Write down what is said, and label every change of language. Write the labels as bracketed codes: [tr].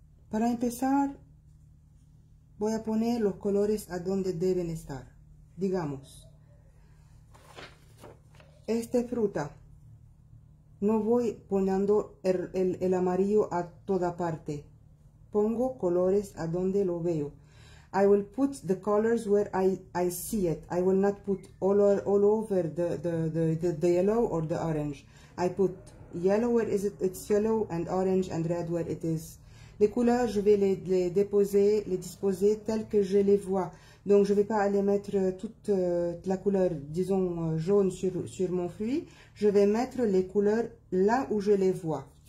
[es] Para empezar, voy a poner los colores a donde deben estar. Digamos, esta fruta. No voy poniendo el amarillo a toda parte. Pongo colores a donde lo veo. [en] I will put the colors where I see it. I will not put all over the yellow or the orange. I put yellow where is it, it's yellow and orange and red where it is. [fr] Les couleurs, je vais les déposer, les disposer telles que je les vois. Donc, je ne vais pas aller mettre toute la couleur, disons, jaune sur mon fruit. Je vais mettre les couleurs là où je les vois.